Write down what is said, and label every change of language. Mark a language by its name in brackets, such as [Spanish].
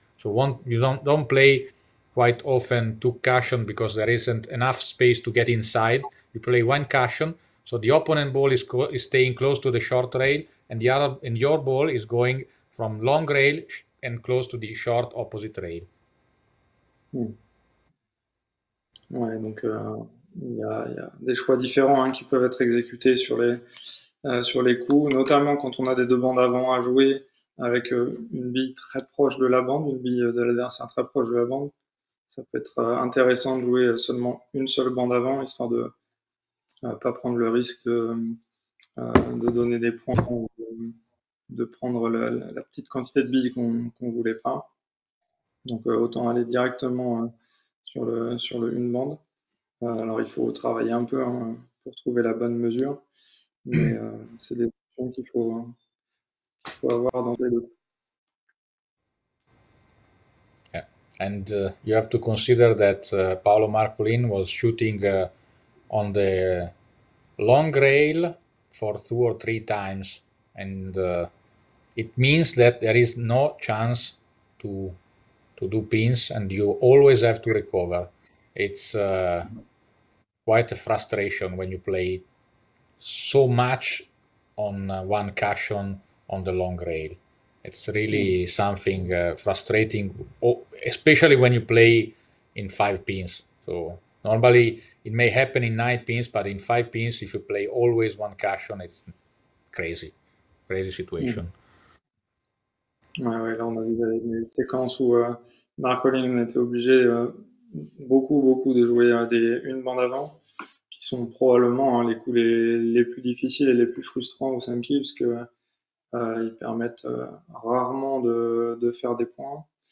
[English] So you don't play quite often two cushion because there isn't enough space to get inside. You play one cushion, so the opponent ball is staying close to the short rail and the other and your ball is going from long rail and close to the short opposite rail. [French] Ouais, donc il y a des choix différents hein, qui peuvent être exécutés sur les coups, notamment quand on a des deux bandes avant à jouer avec une bille très proche de la bande, une bille de l'adversaire très proche de la bande. Ça peut être intéressant de jouer seulement une seule bande avant, histoire de pas prendre le risque de donner des points ou de prendre la petite quantité de billes qu'on voulait pas. Donc autant aller directement sur le une bande. Alors il faut travailler un peu hein, pour trouver la bonne mesure, mais c'est des options qu'il faut avoir dans les deux. [English] And you have to consider that Paolo Marcolin was shooting on the long rail for two or three times. And it means that there is no chance to do pins and you always have to recover. It's quite a frustration when you play so much on one cushion on the long rail. It's really something frustrating, especially when you play in five pins. So normally it may happen in nine pins, but in five pins, if you play always one cushion, it's crazy, crazy situation. [French] Ouais, ouais, là on a vu des séquences où Marcolin était obligé beaucoup de jouer une bande avant, qui sont probablement les coups les plus difficiles et les plus frustrants au simple, parce que ils permettent rarement de faire des points.